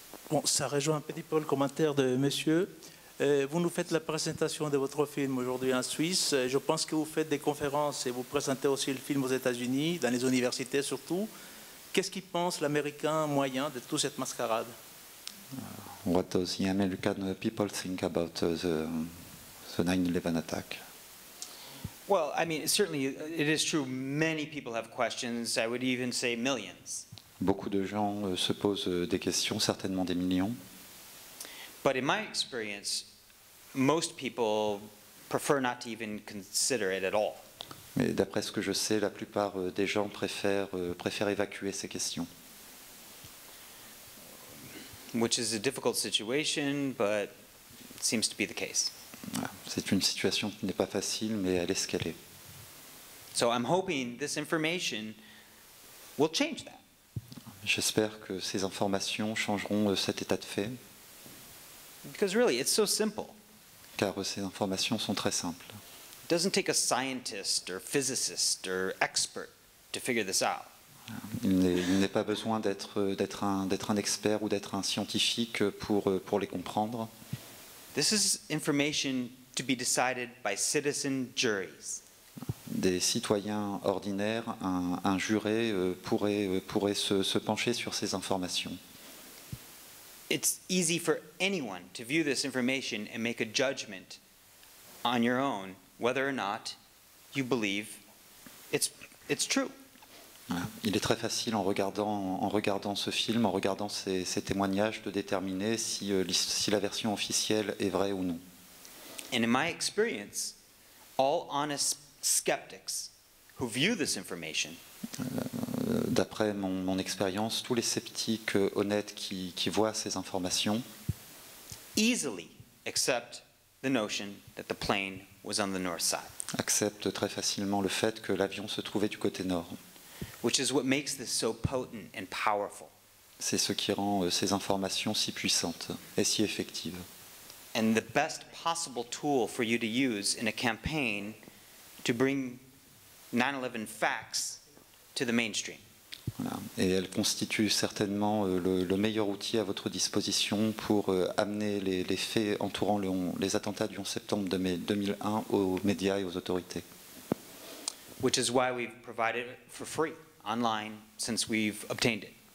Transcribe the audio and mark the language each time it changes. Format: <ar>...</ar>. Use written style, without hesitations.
<fr>Bon, ça rejoint un petit peu le commentaire de monsieur. Vous nous faites la présentation de votre film aujourd'hui en Suisse. Je pense que vous faites des conférences et vous présentez aussi le film aux États-Unis, dans les universités surtout. Qu'est-ce qu'il pense l'Américain moyen de toute cette mascarade?</fr> <en>What does the American people think about the 9/11 attack? Well, I mean, certainly it is true many people have questions. I would even say millions.</en> <fr>Beaucoup de gens se posent des questions, certainement des millions.</fr> <en>But in my experience, most people prefer not to even consider it at all.</en> <fr>Mais d'après ce que je sais, la plupart des gens préfèrent évacuer ces questions.</fr> <en>Which is a difficult situation, but it seems to be the case.</en> <fr>C'est une situation qui n'est pas facile, mais elle est ce qu'elle est.</fr> <en>So I'm hoping this information will change that.</en> <fr>J'espère que ces informations changeront cet état de fait.</fr> <en>Because really, it's so simple.</en> <fr>Car ces informations sont très simples.</fr> <en>It doesn't take a scientist or physicist or expert to figure this out.</en> <fr>Il n'est pas besoin d'être un expert ou d'être un scientifique pour les comprendre.</fr> <en>This is information to be decided by citizen juries.</en> <fr>Des citoyens ordinaires, un juré pourrait se pencher sur ces informations.</fr> <en>It's easy for anyone to view this information and make a judgment on your own whether or not you believe it's true.</en> <fr>Il est très facile en regardant ce film, en regardant ces témoignages, de déterminer si la version officielle est vraie ou non.</fr> <en>And in my experience, all honest skeptics who view this information.</en> <fr>D'après mon expérience, tous les sceptiques honnêtes qui voient ces informations</fr> <en>easily accept the notion that the plane was on the north side.</en> <fr>Acceptent très facilement le fait que l'avion se trouvait du côté nord.</fr> <en>Which is what makes this so potent and powerful.</en> <fr>C'est ce qui rend ces informations si puissantes et si effectives.</fr> <en>and the best possible tool for you to use in a campaign to bring 9/11 facts to the mainstream.</en> <fr>Voilà. Et elle constitue certainement le meilleur outil à votre disposition pour amener les faits entourant les attentats du 11 septembre 2001 aux médias et aux autorités.</fr> <en>Which is why we've provided it for free online since we've obtained it.</en>